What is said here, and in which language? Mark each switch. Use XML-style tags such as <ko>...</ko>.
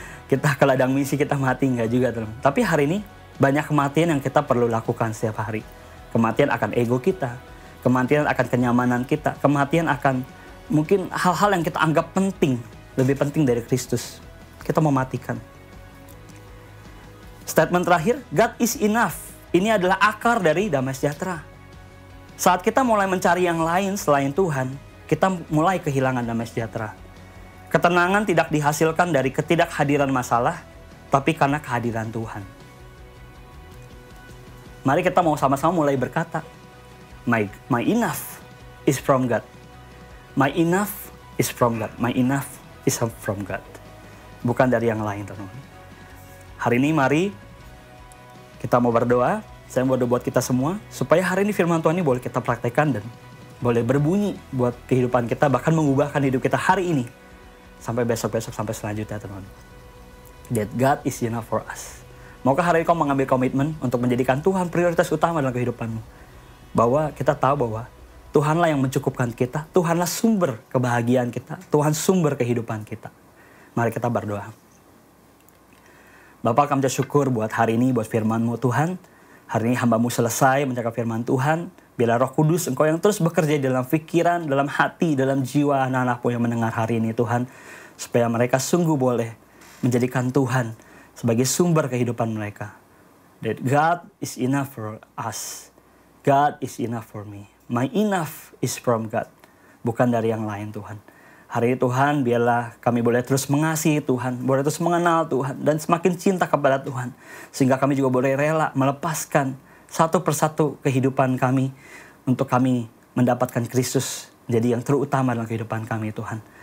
<id>Kita ke ladang misi kita mati, gak juga teman. Tapi hari ini banyak kematian yang kita perlu lakukan setiap hari. Kematian akan ego kita. Kematian akan kenyamanan kita. Kematian akan mungkin hal-hal yang kita anggap penting, lebih penting dari Kristus. Kita mau matikan.</id> <en>Statement</en> <id>terakhir,</id> <en>God is enough.</en> <id>Ini adalah akar dari damai sejahtera. Saat kita mulai mencari yang lain selain Tuhan, kita mulai kehilangan damai sejahtera. Ketenangan tidak dihasilkan dari ketidakhadiran masalah, tapi karena kehadiran Tuhan. Mari kita mau sama-sama mulai berkata,</id> <en>my enough is from God. My enough is from God. My enough is from God.</en> <id>Bukan dari yang lain, teman-teman. Hari ini mari kita mau berdoa. Saya mau berdoa buat kita semua supaya hari ini firman Tuhan ini boleh kita praktekkan dan boleh berbunyi buat kehidupan kita, bahkan mengubahkan hidup kita hari ini sampai besok-besok, sampai selanjutnya, teman-teman.</id> <en>That God is enough for us.</en> <id>Maukah hari ini kau mengambil komitmen untuk menjadikan Tuhan prioritas utama dalam kehidupanmu? Bahwa kita tahu bahwa Tuhanlah yang mencukupkan kita, Tuhanlah sumber kebahagiaan kita, Tuhan sumber kehidupan kita. Mari kita berdoa. Bapa, kami bersyukur buat hari ini, buat firman-Mu Tuhan. Hari ini hamba-Mu selesai mencakap firman Tuhan. Bila Roh Kudus Engkau yang terus bekerja dalam pikiran, dalam hati, dalam jiwa anak-anak-Mu yang mendengar hari ini Tuhan. Supaya mereka sungguh boleh menjadikan Tuhan sebagai sumber kehidupan mereka.</id> <en>That God is enough for us. God is enough for me. My enough is from God.</en> <id>Bukan dari yang lain, Tuhan. Hari ini Tuhan, biarlah kami boleh terus mengasihi Tuhan, boleh terus mengenal Tuhan, dan semakin cinta kepada Tuhan. Sehingga kami juga boleh rela melepaskan satu persatu kehidupan kami untuk kami mendapatkan Kristus jadi yang terutama dalam kehidupan kami, Tuhan.</id>